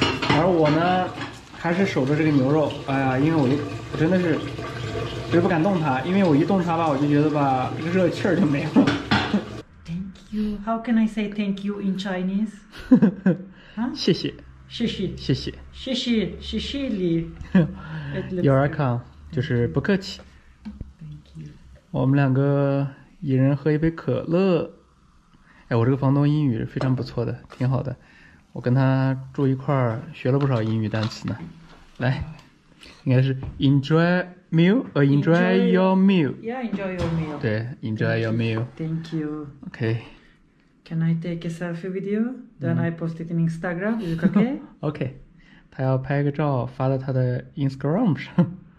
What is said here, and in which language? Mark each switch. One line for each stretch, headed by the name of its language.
Chinese: 而我呢还是守着这个牛肉，哎呀，因为我真的是我不敢动它，因为我一动它吧，我就觉得吧热气儿就没了。
English: Thank you. How can I say thank you in Chinese?
Chinese: 谢谢谢谢谢谢谢谢谢谢谢谢谢谢
English: 谢谢 You're welcome.
Chinese: 就是不客气。
English: Thank you.
Chinese: 我们两个一人喝一杯可乐。哎，我这个房东英语非常不错的，挺好的，我跟他住一块儿学了不少英语单词呢。来，应该是 enjoy
English: meal or enjoy, enjoy your meal? Yeah, enjoy your meal. 对 ，enjoy Thank your meal. You. Thank you. Okay. Can I take a selfie with you? Then I post it in Instagram. Is it okay? Okay.
Chinese: 他要拍个照发到他的 Instagram 上。